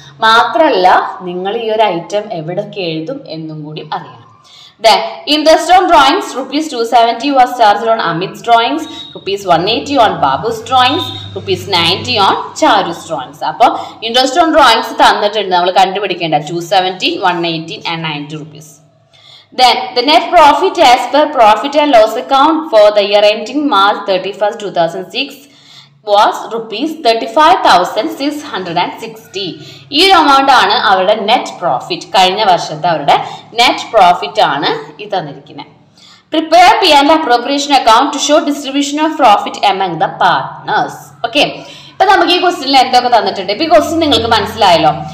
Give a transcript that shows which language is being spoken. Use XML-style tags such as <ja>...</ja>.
<ml>മാത്രമല്ല നിങ്ങൾ ഈ ഒരു ഐറ്റം എവിടെയൊക്കെ എഴുതും എന്നും കൂടി അറിയണം.</ml> <en>Then interest on drawings rupees 270 was charge on Amit's drawings, rupees 180 on Babu's drawings, rupees 90 on Charu's drawings.</en> <ml>അപ്പോൾ ഇൻട്രസ്റ്റ് ഓൺ ഡ്രോയിങ്സ് തന്നിട്ടുണ്ട്, നമ്മൾ കണ്ടുപിടിക്കേണ്ട 270, 180 and 90 rupees.</ml> <en>Then, the net profit as per profit and loss account for the year ending March 31st, 2006 was ₹35,660.</en> <ml>ഈ amount ആണ് അവരുടെ net profit, കഴിഞ്ഞ വർഷത്തെ അവരുടെ net profit ആണ് ഇത് തന്നിരിക്കുന്നത്.</ml> <en>Prepare P and appropriation account to show distribution of profit among the partners.</en> <ml>Okay, ഇപ്പൊ നമുക്ക് ഈ ക്വസ്റ്റ്യനിൽ എന്തൊക്കെ തന്നിട്ടുണ്ട്, ഇപ്പൊ ഈ ക്വസ്റ്റ്യൻ നിങ്ങൾക്ക് മനസ്സിലായല്ലോ.</ml>